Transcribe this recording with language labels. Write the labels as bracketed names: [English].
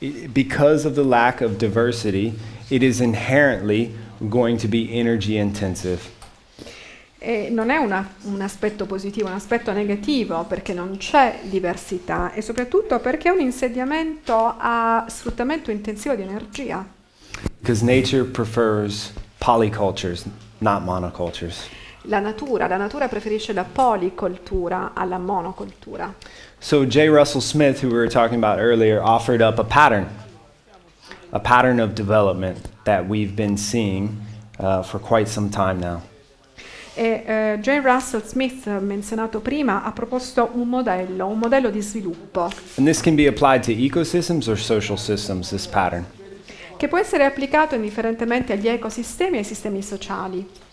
[English] Because of the lack of diversity, it is inherently going to be energy intensive. [Italian] E non è un aspetto positivo, è un aspetto negativo, perché non c'è diversità, e soprattutto perché è un insediamento a sfruttamento intensivo di energia. [English] Because nature prefers polycultures, not monocultures. [Italian] La natura preferisce la policoltura alla monocoltura. [English] So J. Russell Smith, who we were talking about earlier, offered up a pattern of development that we've been seeing for quite some time now. J. [Italian] Russell Smith, menzionato prima, ha proposto un modello di sviluppo. [English] And this can be applied to ecosystems or social systems, this pattern. [Italian] Che può essere applicato indifferentemente agli ecosistemi e ai sistemi sociali.